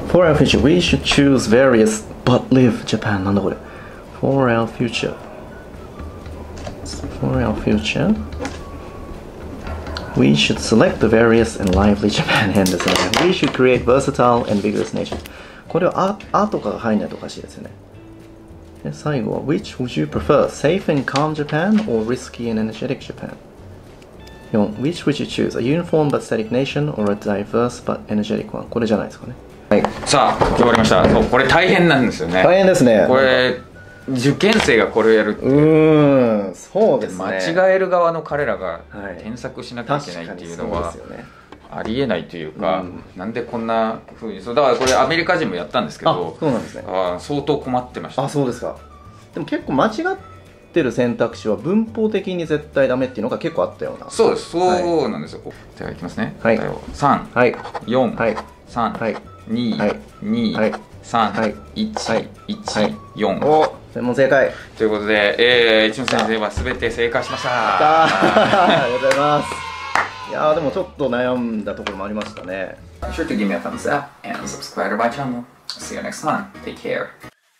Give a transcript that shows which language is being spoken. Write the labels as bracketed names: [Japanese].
[English] For our future, we should choose various but leave Japan. [Japanese] なんだこれ? [English] For our future. For our future, we should select the various and lively Japan. We should create versatile and vigorous nation. [Japanese] これはあとかが入んないとおかしいですよね。で、最後は [English] Which would you prefer? Safe and calm Japan or risky and energetic Japan? 4. Which would you choose? A uniform but static nation or a diverse but energetic one? [Japanese] これじゃないですかね。はい、さあ決まりました。そう、これ大変なんですよね。大変ですね。これ受験生がこれをやるって、そうですね、間違える側の彼らが添削しなきゃいけないっていうのはありえないというか、なんでこんな風に。そうだから、これアメリカ人もやったんですけど。あ、そうなんですね。あ、相当困ってました。あ、そうですか。でも結構間違ってる選択肢は文法的に絶対ダメっていうのが結構あったような。そうです、そうなんですよ。じゃあいきますね。はい、 3、はい、 4、はい、 3、はい、 2、はい、 2、はい、 3、はい、 1、はい、 1、はい、 4。お、全問正解ということで、一問先生は全て正解しました。やったー。ありがとうございます。いやー、でもちょっと悩んだところもありましたね。 [English] Be sure to give me a thumbs up and subscribe to my channel. See you next time. Take care.